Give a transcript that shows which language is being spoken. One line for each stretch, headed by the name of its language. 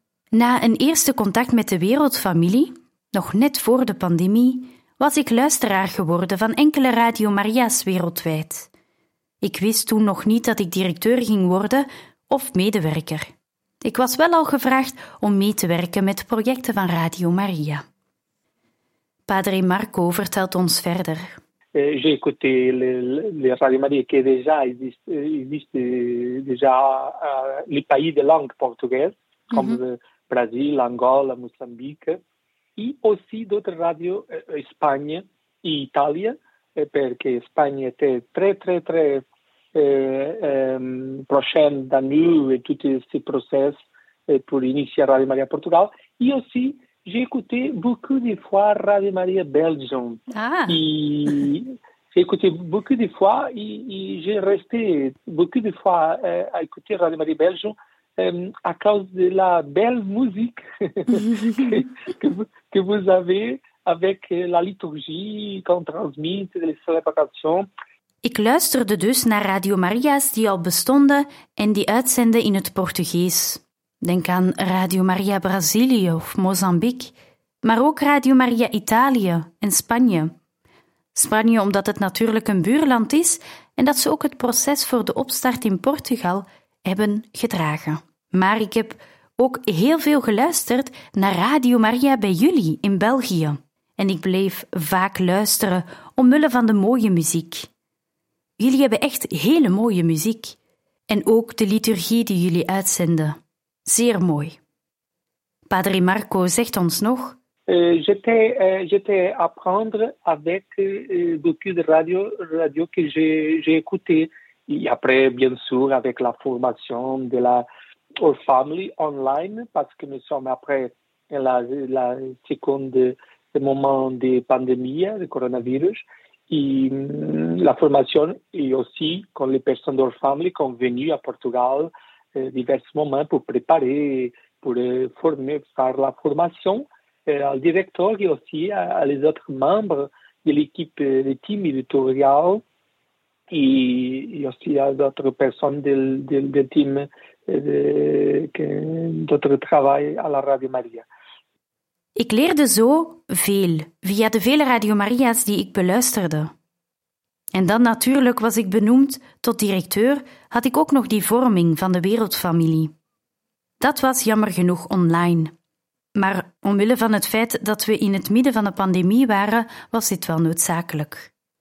Dutch: Na een eerste contact met de wereldfamilie, nog net voor de pandemie, was ik luisteraar geworden van enkele Radio Maria's wereldwijd. Ik wist toen nog niet dat ik directeur ging worden of medewerker. Ik was wel al gevraagd om mee te werken met projecten van Radio Maria. Padre Marco vertelt ons verder.
French: J'ai écouté les Radio Maria qui déjà existe déjà les pays de langue portugaise comme le Brésil, Angola, Moçambique et aussi d'autres radios Espagne et Italie parce que Espagne était très prochaine de nous et tout ce process pour initier Radio Maria Portugal et aussi j'ai écouté beaucoup de fois Radio Maria Belgium. Ah. Et j'ai écouté beaucoup de fois et j'ai resté beaucoup de fois à écouter Radio Maria Belgium à cause de la belle musique que vous avez avec la liturgie qu'on transmet les célébrations.
Dutch: Ik luisterde dus naar Radio Maria's die al bestonden en die uitzenden in het Portugees. Denk aan Radio Maria Brazilië of Mozambique, maar ook Radio Maria Italië en Spanje. Spanje omdat het natuurlijk een buurland is en dat ze ook het proces voor de opstart in Portugal hebben gedragen. Maar ik heb ook heel veel geluisterd naar Radio Maria bij jullie in België. En ik bleef vaak luisteren omwille van de mooie muziek. Jullie hebben echt hele mooie muziek. En ook de liturgie die jullie uitzenden. Zeer mooi. Padre Marco zegt ons nog...
French: J'étais apprendre avec beaucoup de radio que j'ai écouté. Et après, bien sûr, avec la formation de la Our Family online, parce que nous sommes après la seconde moment de pandémie, de coronavirus, et la formation et aussi avec les personnes d'Our Family qui sont venues à Portugal divers moments pour préparer, pour former, faire la formation au directeur et aussi à les autres membres de l'équipe de team éditorial et aussi à d'autres personnes de team d'autres travail à la Radio Maria.
Dutch: Ik leerde zo veel, via de vele Radio Maria's die ik beluisterde. En dan natuurlijk was ik benoemd tot directeur, had ik ook nog die vorming van de wereldfamilie. Dat was jammer genoeg online. Maar omwille van het feit dat we in het midden van de pandemie waren, was dit wel noodzakelijk.